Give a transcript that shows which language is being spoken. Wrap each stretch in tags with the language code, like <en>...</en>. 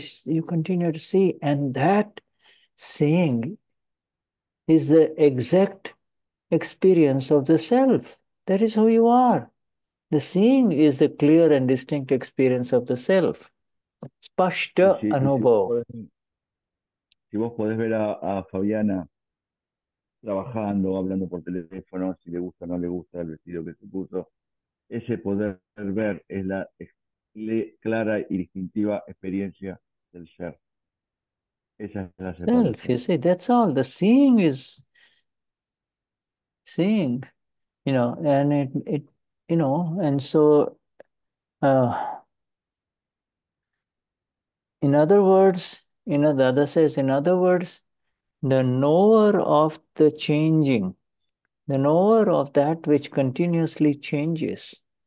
<en>You continue to see. And that seeing is the exact experience of the self. That is who you are. The seeing is the clear and distinct experience of the self.</en> <gu>Spashta anubho.</gu> <es>Si vos podés ver a Fabiana trabajando, hablando por teléfono, si le gusta o no le gusta el vestido que se puso, ese poder ver es la clara y distintiva experiencia del ser. Esa es la separación.</es> <en>Self, you see, that's all. The seeing is seeing, you know, and it you know, and so, in other words, you know, Dada says, in other words, the knower of the changing, the knower of that which continuously changes.</en>